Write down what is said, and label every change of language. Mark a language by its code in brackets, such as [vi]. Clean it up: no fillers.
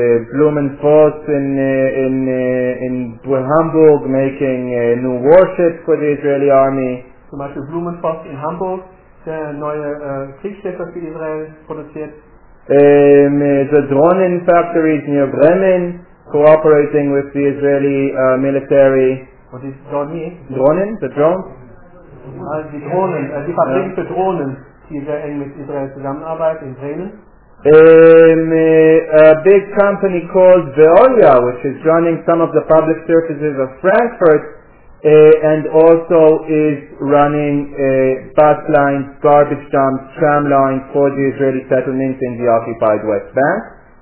[en] Blumenfoss in Hamburg making new warships for the Israeli army. [de] Zum Beispiel Blumenfoss in Hamburg, der neue Kriegsschiffe für Israel produziert. [en] The Dronen factories near Bremen, cooperating with the Israeli military. What is Dronen? Dronen, the drones? [de] Die Drohnen, die Fabrik für Drohnen, die sehr eng mit Israel zusammenarbeitet in Bremen. [en] A big company called Veolia, which is running some of the public services of Frankfurt, and also is running bus lines, garbage dumps, tram lines for the Israeli settlements in the occupied West Bank.